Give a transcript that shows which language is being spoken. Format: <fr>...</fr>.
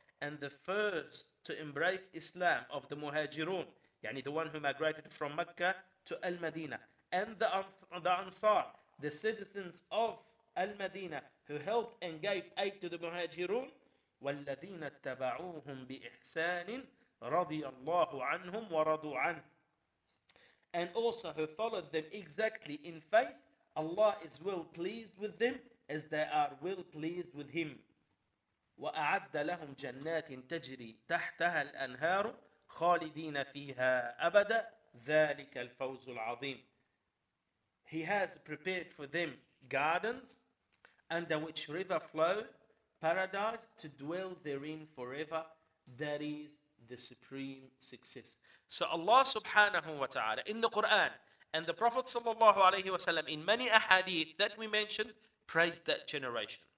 <en>And the first to embrace Islam of the muhajirun, yani the one who migrated from Mecca to Al-Madinah, and the Ansar, the citizens of Al-Madinah, who helped and gave aid to the Muhajirun,</en> <ar>وَالَّذِينَ اتَّبَعُوهُمْ بِإِحْسَانٍ رَضِيَ اللَّهُ عَنْهُمْ وَرَضُوا عَنْهُ.</ar> <en>And also who followed them exactly in faith, Allah is well pleased with them as they are well pleased with Him.</en> <ar>وَأَعَدَّ لَهُمْ جَنَّاتٍ تَجْرِي تَحْتَهَا الْأَنْهَارُ خالدين فيها أبدا ذلك الفوز العظيم.</ar> <en>He has prepared for them gardens under which river flow, paradise to dwell therein forever. That is the supreme success. So Allah subhanahu wa ta'ala in the Quran and the Prophet sallallahu alayhi wa sallam in many ahadith that we mentioned praised that generation.</en>